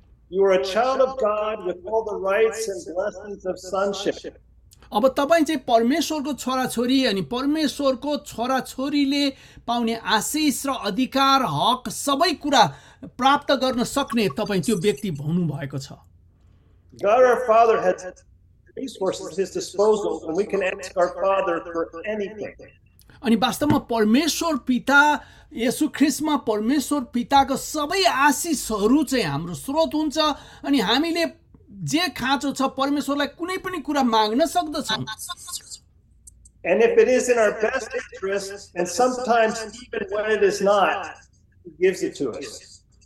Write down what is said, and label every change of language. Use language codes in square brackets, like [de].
[en] You are a child of God with all the rights and blessings of sonship. [ne] अब तपाईं चाहिँ परमेश्वरको छोराछोरी अनि परमेश्वरको छोराछोरीले पाउने आशिष र अधिकार हक सबै कुरा प्राप्त गर्न सक्ने तपाईं त्यो व्यक्ति भन्नु भएको छ। [en] God our Father has resources at his disposal and we can ask our Father for anything. [ne] अनि वास्तवमा परमेश्वर पिता येशू ख्रीष्टमा परमेश्वर पिताको सबै आशिषहरू चाहिँ हाम्रो स्रोत हुन्छ अनि हामीले जे खाँचो छ परमेश्वरलाई कुनै पनि कुरा माग्न सक्दछौँ [en] And if it is in our best interest and sometimes even when it is not he gives it to us